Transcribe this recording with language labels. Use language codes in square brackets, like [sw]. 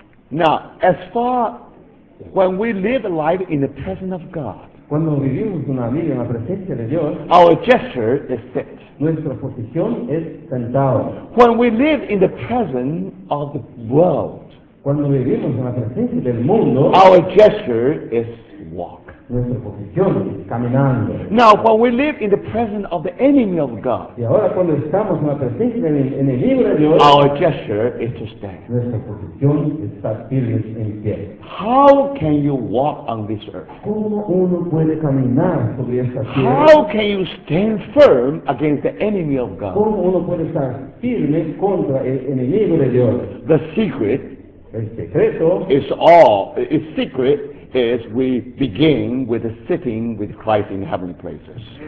[en] Now, as far when we live a life in the presence of God, [es] cuando vivimos una vida en la presencia de Dios, [en] our gesture is set. [es] Nuestra posición es sentado. [en] When we live in the presence of the world, [es] cuando vivimos en la presencia del mundo, [en] our gesture is walk. [es] Nuestra posición es caminando. [en] Now, when we live in the presence of the enemy of God, [es] y ahora cuando estamos en la presencia del enemigo de Dios, [en] our gesture is to stand. [es] Nuestra posición es estar firme en pie. [en] How can you walk on this earth? [es] ¿Cómo uno puede caminar sobre esta tierra? [en] How can you stand firm against the enemy of God? [es] ¿Cómo uno puede estar firme contra el enemigo de Dios? [en] The secret, [es] el secreto, [en] is all, is secret, is we begin with the sitting with Christ in heavenly places.